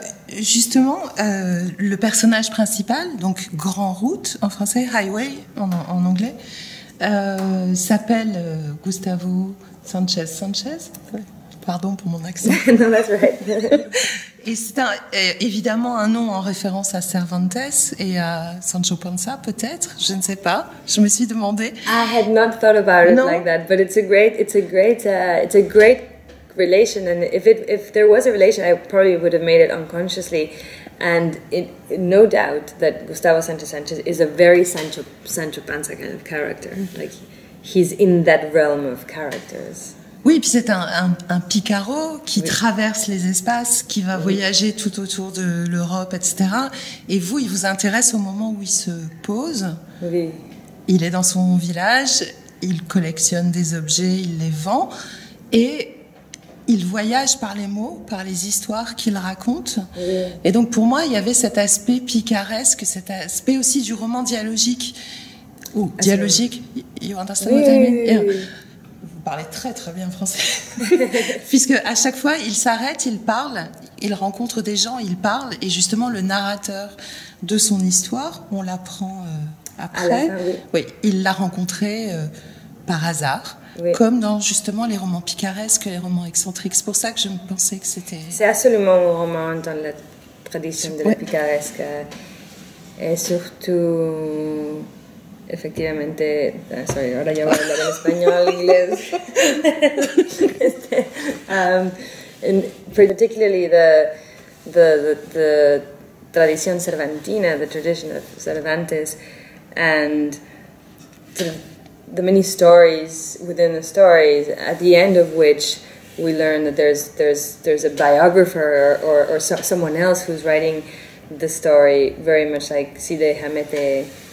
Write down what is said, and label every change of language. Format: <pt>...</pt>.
<fr>Justement, le personnage principal, donc Grand Route en français, Highway en anglais, s'appelle Gustavo Sanchez Sanchez. Pardon pour mon accent.</fr> <en>No, that's right.</en> <fr>Et c'est évidemment un nom en référence à Cervantes et à Sancho Panza, peut-être. Je ne sais pas. Je me suis demandé.</fr> <en>I had not thought about it like that, but it's a great relation. And if there was a relation, I probably would have made it unconsciously. And no doubt that Gustavo Sancho Sanchez is a very Sancho Panza kind of character. Mm-hmm. Like he's in that realm of characters.</en> <fr>Oui, puis c'est un picaro qui traverse les espaces, qui va voyager tout autour de l'Europe, etc. Et vous, il vous intéresse au moment où il se pose. Oui. Il est dans son village, il collectionne des objets, il les vend. Et il voyage par les mots, par les histoires qu'il raconte. Oui. Et donc pour moi, il y avait cet aspect picaresque, cet aspect aussi du roman dialogique. Ou dialogique,</fr> <en>you understand what I mean?</en> <fr>Oui. Vous parlez très très bien français, puisque à chaque fois il s'arrête, il parle, il rencontre des gens, il parle, et justement le narrateur de son histoire, on l'apprend après. Alors, oui. Oui, il l'a rencontré par hasard, comme dans justement les romans picaresques, les romans excentriques. C'est pour ça que je me pensais que c'était. C'est absolument un roman dans la tradition de la picaresque, et surtout.</fr> <es>Efectivamente,</es> <en>sorry,</en> <es>ahora ya voy a hablar en español, inglés.</es> <en>And particularly the</en> <es>tradición cervantina,</es> <en>the tradition of Cervantes, and the many stories within the stories, at the end of which we learn that there's a biographer or someone else who's writing the story, very much like Cide Hamete.</en>